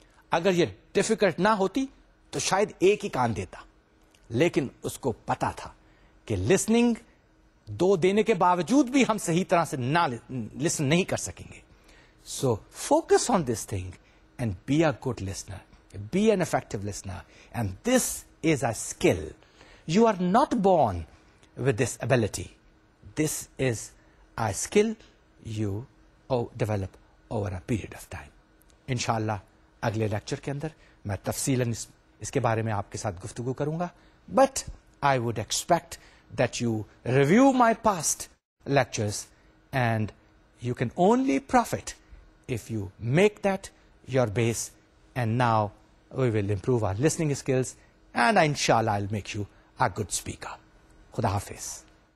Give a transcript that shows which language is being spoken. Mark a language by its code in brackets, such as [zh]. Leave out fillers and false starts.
[ur] اگر یہ difficult نہ ہوتی تو شاید ایک ہی کان دیتا, لیکن اس کو پتا تھا کہ listening دو دینے کے باوجود بھی ہم صحیح طرح سے نہ listen نہیں کر سکیں گے. [en] So focus on this thing and be a good listener, be an effective listener, and this is a skill. You are not born with this ability. This is a skill you develop over a period of time. [ur] Inshallah, اگلے lecture کے اندر میں تفصیلاً اس کے بارے میں آپ کے ساتھ گفتگو کروں گا. [en] But I would expect that you review my past lectures and you can only profit if you make that your base, and now we will improve our listening skills and inshallah I'll make you a good speaker. [ur] خدا حافظ.